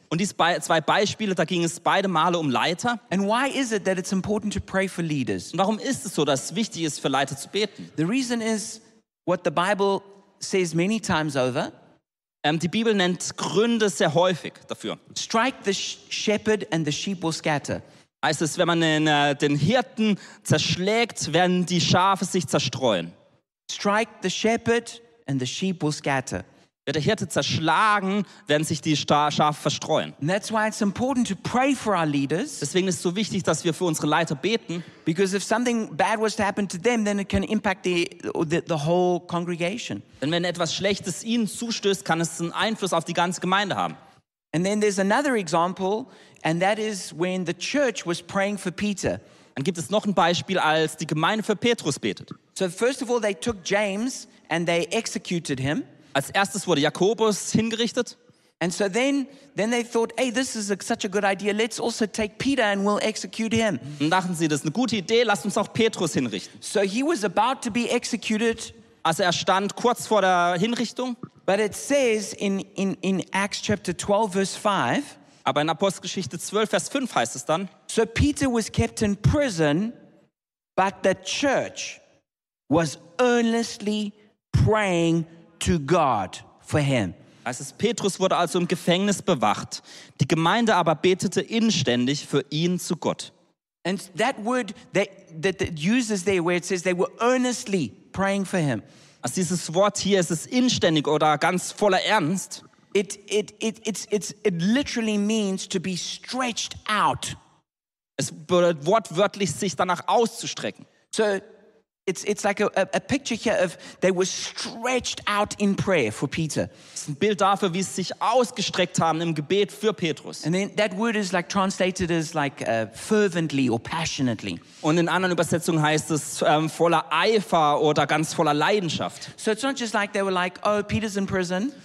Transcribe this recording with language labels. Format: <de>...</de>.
<de>Und diese zwei Beispiele, da ging es beide Male um Leiter.</de> <en>And why is it that it's important to pray for leaders?</en> <de>Und warum ist es so, dass es wichtig ist, für Leiter zu beten?</de> <en>The reason is what the Bible says many times over.</en> <de>Die Bibel nennt Gründe sehr häufig dafür.</de> <en>Strike the shepherd and the sheep will scatter.</en> <de>Heißt es, wenn man den Hirten zerschlägt, werden die Schafe sich zerstreuen.</de> <en>Strike the shepherd and the sheep will scatter.</en> <de>Wird der Hirte zerschlagen, werden sich die Schafe verstreuen.</de> <en>And that's why it's important to pray for our leaders.</en> <de>Deswegen ist es so wichtig, dass wir für unsere Leiter beten.</de> <en>Because if something bad was to happen to them, then it can impact the whole congregation.</en> <de>Denn wenn etwas Schlechtes ihnen zustößt, kann es einen Einfluss auf die ganze Gemeinde haben.</de> <en>And then there's another example, and that is when the church was praying for Peter.</en> <de>Dann gibt es noch ein Beispiel, als die Gemeinde für Petrus betet.</de> <en>So first of all, they took James and they executed him.</en> <de>Als erstes wurde Jakobus hingerichtet.</de> <en>And so then they thought, hey, this is such a good idea. Let's also take Peter and we'll execute him.</en> <de>Dann dachten sie, das ist eine gute Idee, lasst uns auch Petrus hinrichten.</de> <en>So he was about to be executed.</en> <de>Also er stand kurz vor der Hinrichtung.</de> <en>But it says in Acts chapter 12 verse 5.</en> <de>Aber in Apostelgeschichte 12 Vers 5 heißt es dann.</de> <en>So Peter was kept in prison, but the church was earnestly praying to God for him.</en> <de>Also Petrus wurde also im Gefängnis bewacht. Die Gemeinde aber betete inständig für ihn zu Gott.</de> <en>And that word that uses there where it says they were earnestly praying for him.</en> <de>Also dieses Wort hier, es ist inständig oder ganz voller Ernst.</de> <en>It literally means to be stretched out.</en> <de>Es bedeutet wortwörtlich, sich danach auszustrecken.</de> <en>So It's like a picture here of they were stretched out in prayer for Peter.</en> <de>Es ist ein Bild dafür, wie sie sich ausgestreckt haben im Gebet für Petrus.</de> <en>And then that word is like translated as like fervently or passionately.</en> <de>Und in anderen Übersetzungen heißt es voller Eifer oder ganz voller Leidenschaft.</de> <en>So it's not just like they were like, oh, Peter's in prison.</en>